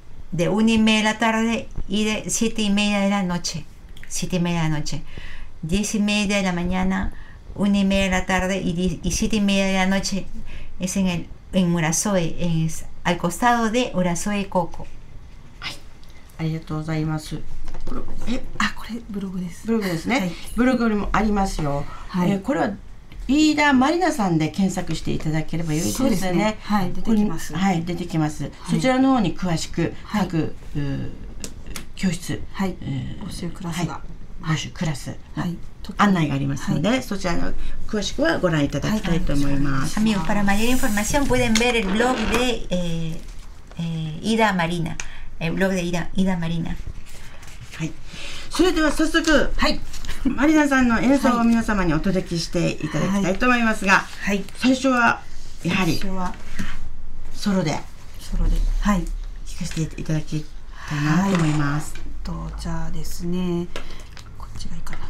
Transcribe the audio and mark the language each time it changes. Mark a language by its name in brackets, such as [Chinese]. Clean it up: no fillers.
[Spanish] De 1:30 de la tarde y de 7:30 de la noche. 7:30 de la noche. 10:30 de la mañana, 1:30 de la tarde y 7:30 de la noche. Es en Urasoe, es al costado de Urasoe Koko. [Japanese] ありがとうございます。これブログです。ブログですね。はい、ブログにもありますよ。はい、これは飯田マリナさんで検索していただければよいですね。そうですね、はい、出てきます。はい、出てきます、はい。そちらの方に詳しく各、はい、教室、はい、募集クラスが、はい、募集クラス、はい、案内がありますので、はい、そちらの詳しくはご覧いただきたいと思います。 [Spanish] Amigo, para mayor información pueden ver el blog de Ida Marina, el blog de Ida Marina。 [Japanese] はい。それでは早速、はい。マリナさんの演奏を皆様にお届けしていただきたいと思いますが、はいはい、最初はやはり最初はソロで、はい、聴かせていただきたいなと思います、はい、じゃあですね、こっちがいいかな、